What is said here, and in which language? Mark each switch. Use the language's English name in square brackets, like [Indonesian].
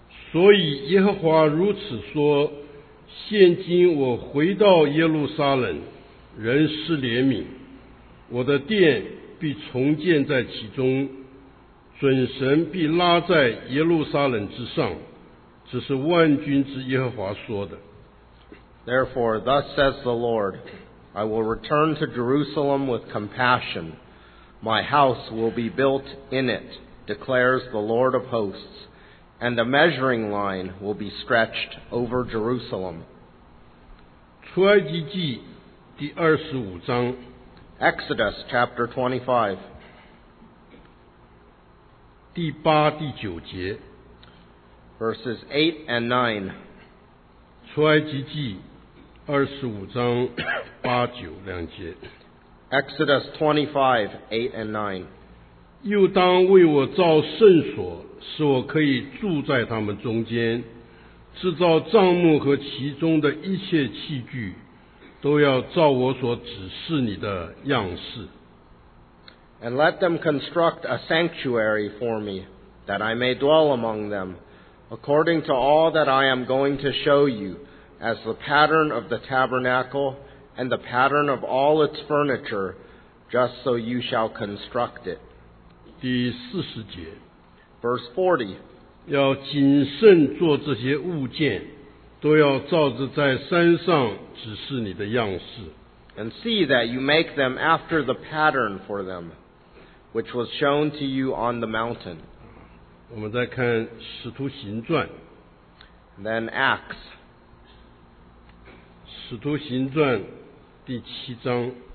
[Chinese] 所以耶和华如此说，现今我回到耶路撒冷，仍施怜悯，我的殿必重建在其中，准绳必拉在耶路撒冷之上，这是万军之耶和华说的。 [English] Therefore, thus says the Lord, I will return to Jerusalem with compassion. My house will be built in it, declares the Lord of hosts. And a measuring line will be stretched over Jerusalem. [Chinese] 出埃及记第二十五章。 [English] Exodus chapter 25. [Chinese] 第八第九节。 [English] Verses 8 and 9. [Chinese] 出埃及记二十五章八九两节。 [English] Exodus 25, 8 and 9. [Chinese] 又当为我造圣所，使我可以住在他们中间，制造帐幕和其中的一切器具，都要照我所指示你的样式。 [English] And let them construct a sanctuary for me, that I may dwell among them, according to all that I am going to show you, as the pattern of the tabernacle, and the pattern of all its furniture, just so you shall construct it. [Chinese] 第四十节。 [English] Verse 40. [Chinese] 要谨慎做这些物件，都要照着在山上指示你的样式。 [English] And see that you make them after the pattern for them, which was shown to you on the mountain. [Chinese] 我们再看使徒行传。 [English] Then Acts. [Chinese] 使徒行传第七章。